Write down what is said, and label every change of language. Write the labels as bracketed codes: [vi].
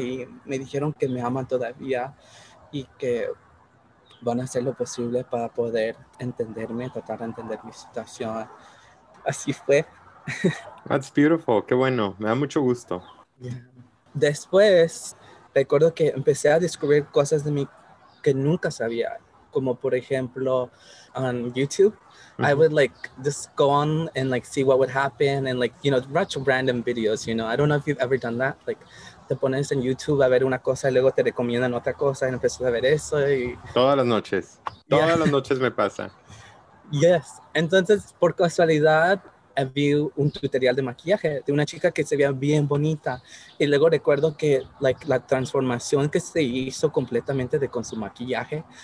[es] Y me dijeron que me aman todavía y que van a hacer lo posible para poder entenderme, tratar de entender mi situación. Así fue. [en] That's beautiful. [es] Qué bueno. Me da mucho gusto. [en] Yeah. [es] Después, recuerdo que empecé a descubrir cosas de mí que nunca sabía. Como, por ejemplo, [en] on YouTube. [es] Mm-hmm. [en] I would, just go on and, see what would happen. And, watch random videos, you know. I don't know if you've ever done that. [es] Te pones en YouTube a ver una cosa y luego te recomiendan otra cosa. Y empecé a ver eso y... Todas las noches. Todas las noches me pasa. [en] Yes. [es] Entonces, por casualidad, vi un tutorial de maquillaje de una chica que se veía bien bonita. Y luego recuerdo que, la transformación que se hizo completamente de con su maquillaje.